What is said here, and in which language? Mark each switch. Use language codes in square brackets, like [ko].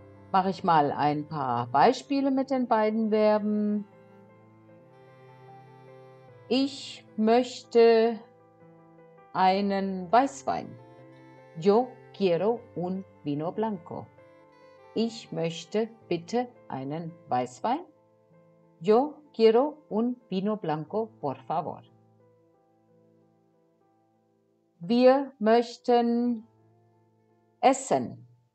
[de] Mache ich mal ein paar Beispiele mit den beiden Verben. Ich möchte einen Weißwein. [es] Yo quiero un vino blanco. [de] Ich möchte bitte einen Weißwein. [es] Yo quiero un vino blanco, por favor. [de] Wir möchten essen.